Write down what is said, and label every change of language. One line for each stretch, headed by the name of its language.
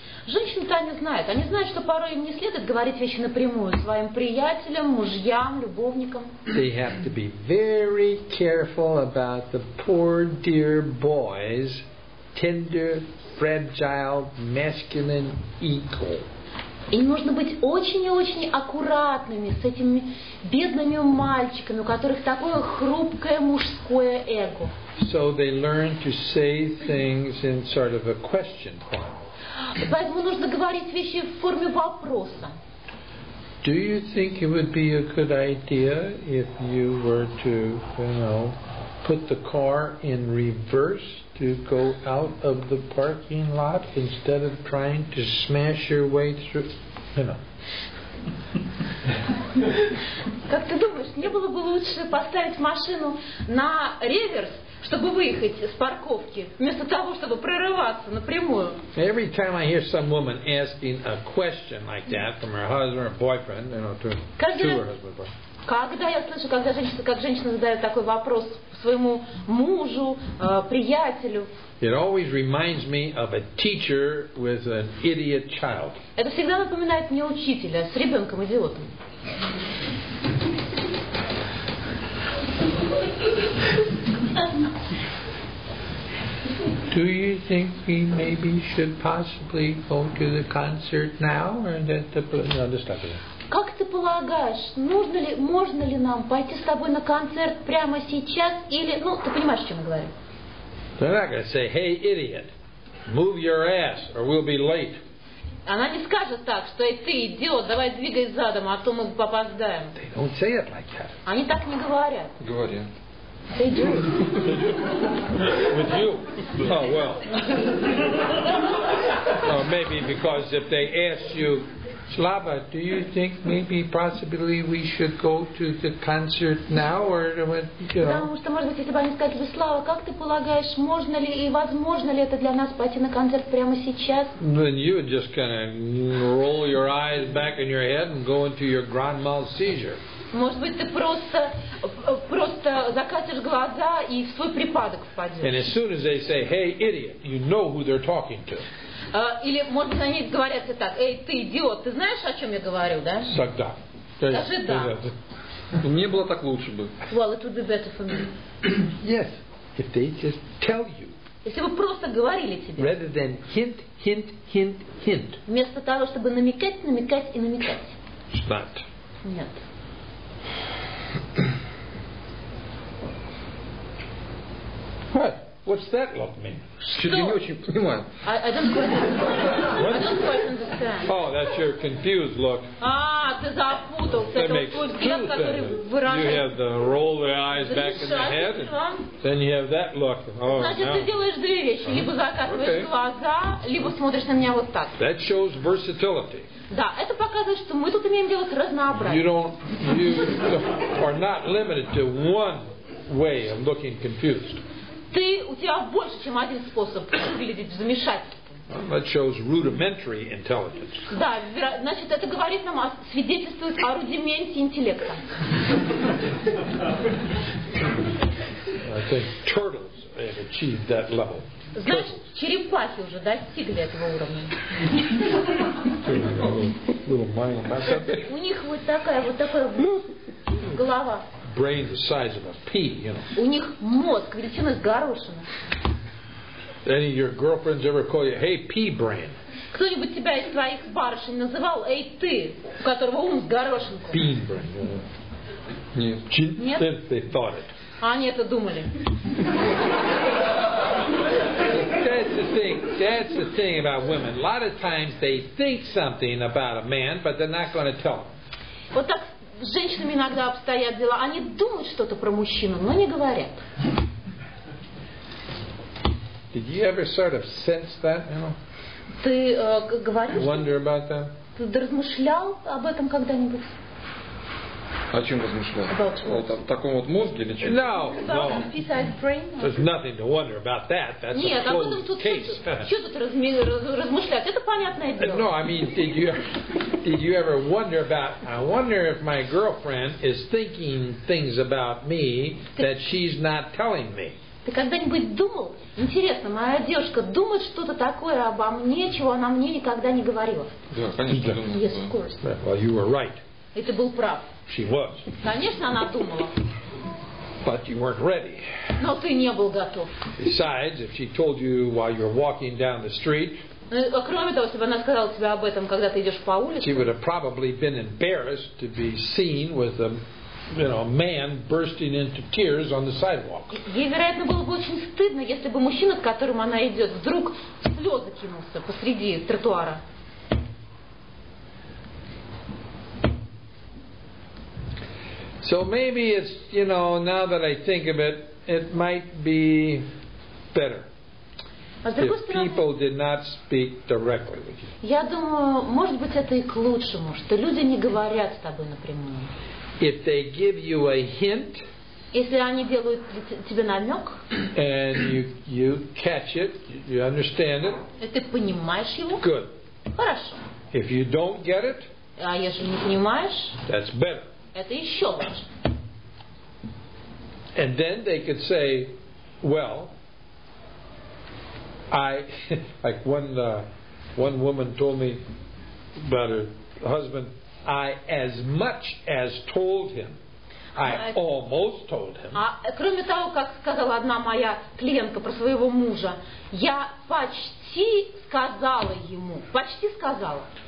Russian: Женщины-то они знают. Они знают, что порой им не следует говорить вещи напрямую своим приятелям, мужьям, любовникам.
English: They have to be very careful about the poor dear boy's tender, fragile, masculine ego.
Russian: Им нужно быть очень и очень аккуратными с этими бедными мальчиками, у которых такое хрупкое мужское эго.
English: So they learn to say things in sort of a question form.
Russian: Поэтому нужно говорить вещи в форме вопроса.
English: Do you think it would be a good idea if you were to, you know, put the car in reverse to go out of the parking lot instead of trying to smash your way through, you know?
Russian: Как ты думаешь, не было бы лучше поставить машину на реверс, чтобы выехать с парковки, вместо того, чтобы прорываться напрямую?
English: Every time I hear some woman asking a question like that from her husband or boyfriend, you know, to her husband.
Russian: Когда я слышу, когда женщина, как женщина задает такой вопрос своему мужу, приятелю.
English: It always reminds me of a teacher with an idiot child.
Russian: Это всегда напоминает мне учителя с ребенком идиотом.
English: Do you think we maybe should possibly go to the concert now or that the stop it?
Russian: Как ты полагаешь, нужно ли, можно ли нам пойти с тобой на концерт прямо сейчас или, ну, ты понимаешь, о чем я говорю?
English: They're not gonna say, "Hey, idiot, move your ass, or we'll be late."
Russian: Она не скажет так, что ты идиот, давай двигай задом, а то мы опоздаем.
English: They don't say it like that.
Russian: Они так не говорят. Говорят.
English: They do. With you? Oh well. Or maybe because if they ask you, Slava, do you think maybe possibly we should go to the concert now or what?
Russian: Потому что, может быть, если бы они сказали, Слава, как ты полагаешь, можно ли и возможно ли это для нас пойти на концерт прямо сейчас?
English: Then you would just kind of roll your eyes back in your head and go into your grandma's seizure.
Russian: Может быть, ты просто закатишь глаза и в свой припадок впадешь.
English: And as soon as they say, "Hey, idiot," you know who they're talking to.
Russian: Или, может быть, они говорят тебе так, эй, ты идиот, ты знаешь, о чем я говорю, да? Тогда. Даже да. Мне было так лучше бы.
English: Well, it would be better for me. Yes, if they just tell you.
Russian: Если бы просто говорили тебе.
English: Rather than hint, hint, hint, hint.
Russian: Вместо того, чтобы намекать, намекать и намекать.
English: Not.
Russian: Нет.
English: What? what's that love mean?
Russian: Что? Я не очень понимаю.
English: I don't quite understand. Oh, that's your confused look.
Russian: Ты запутался.
English: That makes sense. You have the roll the eyes back in the head, then you have that look.
Russian: Значит, ты делаешь две вещи: либо закатываешь глаза, либо смотришь на меня вот так.
English: That shows versatility.
Russian: Да, это показывает, что мы тут имеем дело с разнообразием.
English: You don't, you are not limited to one way of looking confused.
Russian: Ты, у тебя больше, чем один способ выглядеть в замешательстве.
English: That shows rudimentary intelligence.
Russian: Да, значит, это говорит нам, свидетельствует о рудименте интеллекта.
English: I think turtles have achieved that level.
Russian: Значит, черепахи уже достигли этого уровня. У них вот такая голова.
English: Brain the size of a pea, you know.
Russian: У них мозг величиной с горошину.
English: Any of your girlfriends ever call you, hey, pea brain?
Russian: Кто-нибудь тебя из твоих барышень называл, эй, ты, у которого ум с горошинкой?
English: Pea brain.
Russian: Нет.
English: Since they thought it.
Russian: Они это думали.
English: That's the thing about women. A lot of times they think something about a man, but they're not going to tell.
Russian: Вот так с женщинами иногда обстоят дела. Они думают что-то про мужчину, но не говорят.
English: Did you ever sort of sense that, you know?
Russian: Ты говорил?
English: Wonder about that?
Russian: Ты размышлял об этом когда-нибудь? О чем размышлял? О таком вот мозге или чем?
English: No. There's nothing to wonder about that. That's
Russian: нет,
English: a closed
Russian: тут,
English: case.
Russian: Что тут размышлять? Это понятное дело.
English: No, I mean, did you ever wonder about? I wonder if my girlfriend is thinking things about me that she's not telling me.
Russian: Ты когда-нибудь думал? Интересно, моя девушка думает что-то такое обо мне, чего она мне никогда не говорила? Да, конечно.
English: Yes, of course. Yeah, well, you were right.
Russian: И ты был прав.
English: She was.
Russian: Конечно, она думала.
English: But you weren't ready.
Russian: Но ты не был готов.
English: Besides, if she told you while you're walking down the street,
Russian: кроме того, если бы она сказала тебе об этом, когда ты идешь по улице,
English: she would have probably been embarrassed to be seen with a, you know, a man bursting into tears on the sidewalk.
Russian: Ей, вероятно, было бы очень стыдно, если бы мужчина, с которым она идет, вдруг слезы кинулся посреди тротуара.
English: So maybe it's, you know, now that I think of it, it might be better if people did not speak directly with you.
Russian: Я думаю, может быть, это и к лучшему, что люди не говорят с тобой напрямую.
English: If they give you a hint,
Russian: если они делают тебе намек,
English: and you catch it, you understand it,
Russian: и ты понимаешь его,
English: good.
Russian: Хорошо.
English: If you don't get it,
Russian: а если не понимаешь,
English: that's better.
Russian: Это еще лучше.
English: And then they could say, well, I, like one woman told me about her husband, I as much as told him, I almost told him.
Russian: Кроме того, как сказала одна моя клиентка про своего мужа, я почти сказала ему, почти сказала.